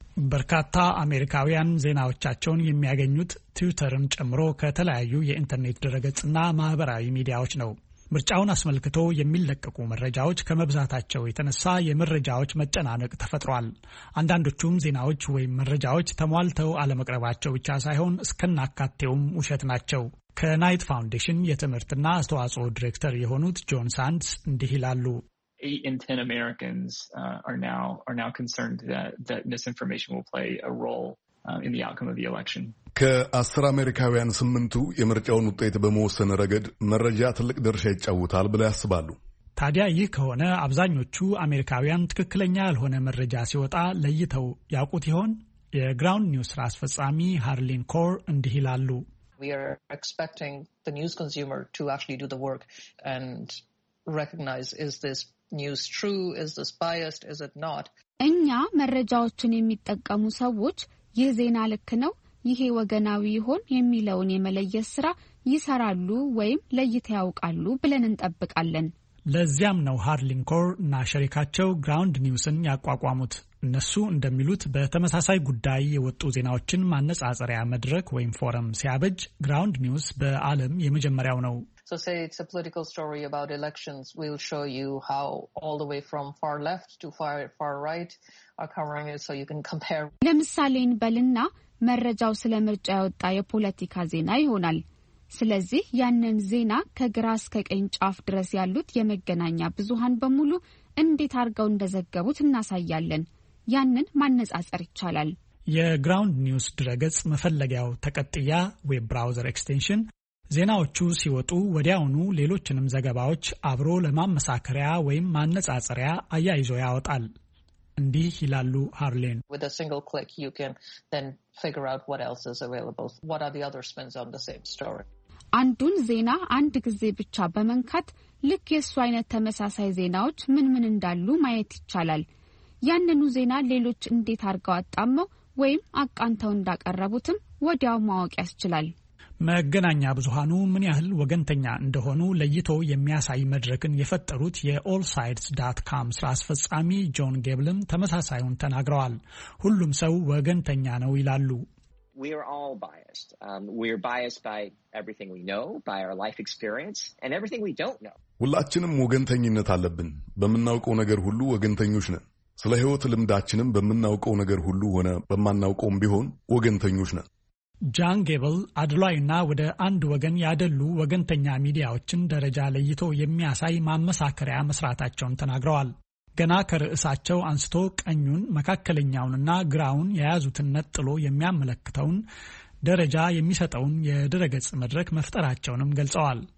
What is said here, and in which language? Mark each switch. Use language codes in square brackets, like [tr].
[am] በርካታ አሜሪካውያን ዜናዎቻቸውን የሚያገኙት ትዊተርን ጨምሮ ከተለያዩ የኢንተርኔት ድረገጽና ማህበራዊ ሚዲያዎች ነው። ምርጫውን አስመልክቶ የሚለቀቁ መረጃዎች ከመብዛታቸው የተነሳ የመረጃዎች መጨናነቅ ተፈጥሯል። አንዳንዶቹም ዜናዎች ወይም መረጃዎች ተሟልተው አለመቅረባቸው ብቻ ሳይሆን እስከናካቴውም ውሸት ናቸው። ከናይት ፋውንዴሽን የትምህርትና አስተዋጽኦ ዲሬክተር የሆኑት ጆን ሳንድስ እንዲህ ይላሉ። [en] 8 in 10 Americans are now concerned that misinformation will play a role in the outcome of the election. [am] ከአስር አሜሪካውያን ስምንቱ የምርጫውን ውጤት በመወሰን ረገድ መረጃ ትልቅ ድርሻ ይጫወታል ብለው ያስባሉ። ታዲያ ይህ ከሆነ አብዛኞቹ አሜሪካውያን ትክክለኛ ያልሆነ መረጃ ሲወጣ ለይተው ያውቁት ይሆን? የግራውንድ ኒውስ ራስ አስፈጻሚ ሃርሊን ኮር እንዲህ ይላሉ። [en] We are expecting the news consumer to actually do the work and recognize, is this news true? Is this biased? Is it not? [am] እኛ መረጃዎችን የሚጠቀሙ ሰዎች ይህ ዜና ልክ ነው ይሄ ወገናዊ ይሆን የሚለውን የመለየት ስራ ይሰራሉ ወይም ለይተው ያውቃሉ ብለን እንጠብቃለን። ለዚያም ነው ሃርሊንኮር እና ሸሪካቸው ግራውንድ ኒውስን ያቋቋሙት። እነሱ እንደሚሉት በተመሳሳይ ጉዳይ የወጡ ዜናዎችን ማነጻጸሪያ መድረክ ወይም ፎረም ሲያበጅ ግራውንድ ኒውስ በዓለም የመጀመሪያው ነው። [en] So say it's a political story about elections. We'll show you how all the way from far left to far right are covering it so you can compare. [am] ለምሳሌን በልና መረጃው ስለ ምርጫ ያወጣ የፖለቲካ ዜና ይሆናል። ስለዚህ ያንን ዜና ከግራስ ከቀኝ ጫፍ ድረስ ያሉት የመገናኛ ብዙሃን በሙሉ እንዴት አርገው እንደዘገቡት እናሳያለን። ያንን ማነጻጸር ይቻላል። የግራውንድ ኒውስ ድረገጽ መፈለጊያው ተቀጥያ ዌብ ብራውዘር ኤክስቴንሽን ዜናዎቹ ሲወጡ ወዲያውኑ ሌሎችንም ዘገባዎች አብሮ ለማመሳከሪያ ወይም ማነጻጸሪያ አያይዞ ያወጣል። እንዲህ ይላሉ ሃርሊን። [en] With a single click you can then figure out what else is available. What are the other spins on the same story? [am] አንዱን ዜና አንድ ጊዜ ብቻ በመንካት ልክ የሱ አይነት ተመሳሳይ ዜናዎች ምን ምን እንዳሉ ማየት ይቻላል። ያንኑ ዜና ሌሎች እንዴት አርገው አጣመው ወይም አቃንተው እንዳቀረቡትም ወዲያው ማወቅ ያስችላል። መገናኛ ብዙሃኑ ምን ያህል ወገንተኛ እንደሆኑ ለይቶ የሚያሳይ መድረክን የፈጠሩት የallsides.com ስራ አስፈጻሚ ጆን ጌብልም ተመሳሳዩን ተናግረዋል። ሁሉም ሰው ወገንተኛ ነው ይላሉ። [en] We are all biased. We're biased by everything we know, by our life experience, and everything we don't know. [am] ሁላችንም ወገንተኝነት አለብን። በመናውቀው ነገር ሁሉ ወገንተኞች ነን። ስለ ህይወት ልምዳችንም በመናውቀው ነገር ሁሉ ሆነ በማናውቀውም ቢሆን ወገንተኞች ነን። ጃን ጌብል አድሏይና ወደ አንድ ወገን ያደሉ ወገንተኛ ሚዲያዎችን ደረጃ ለይቶ የሚያሳይ ማመሳከሪያ መስራታቸውን ተናግረዋል። ገና ከርዕሳቸው አንስቶ ቀኙን መካከለኛውንና ግራውን የያዙትን ነጥሎ የሚያመለክተውን ደረጃ የሚሰጠውን የደረገጽ መድረክ መፍጠራቸውንም ገልጸዋል።